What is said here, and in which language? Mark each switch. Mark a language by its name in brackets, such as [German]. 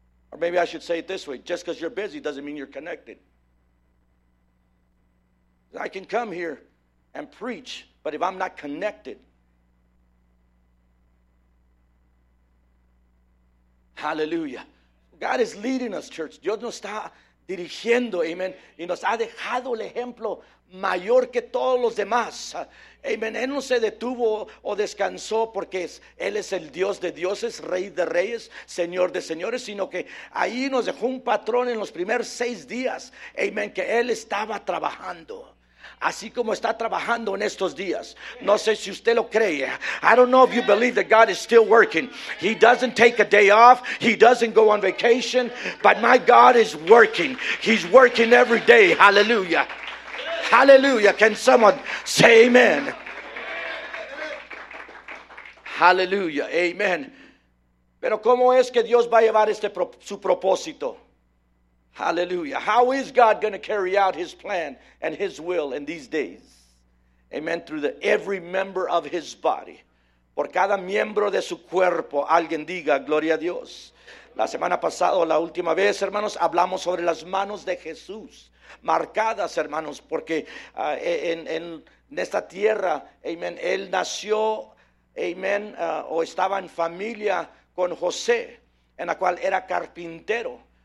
[English] Or maybe I should say it this way. Just because you're busy doesn't mean you're connected. I can come here and preach, but if I'm not connected, hallelujah. God is leading us, church. [Spanish] Dios nos está dirigiendo, [English] amen. [Spanish] Y nos ha dejado el ejemplo mayor que todos los demás. Amen. Él no se detuvo o descansó porque Él es el Dios de dioses, Rey de reyes, Señor de señores, sino que ahí nos dejó un patrón en los primeros 6 días, amen, que Él estaba trabajando. Así como está trabajando en estos días. No sé si usted lo cree. [English] I don't know if you believe that God is still working. He doesn't take a day off. He doesn't go on vacation. But my God is working. He's working every day. Hallelujah. Hallelujah. Can someone say amen? Hallelujah. Amen. [Spanish] Pero ¿cómo es que Dios va a llevar este su propósito? [English] Hallelujah. How is God going to carry out his plan and his will in these days? Amen. Through the every member of his body. [Spanish] Por cada miembro de su cuerpo, alguien diga, gloria a Dios. La semana pasada, la última vez, hermanos, hablamos sobre las manos de Jesús. Marcadas, hermanos, porque en esta tierra, amen, él nació, amen, o estaba en familia con José, en la cual era carpintero.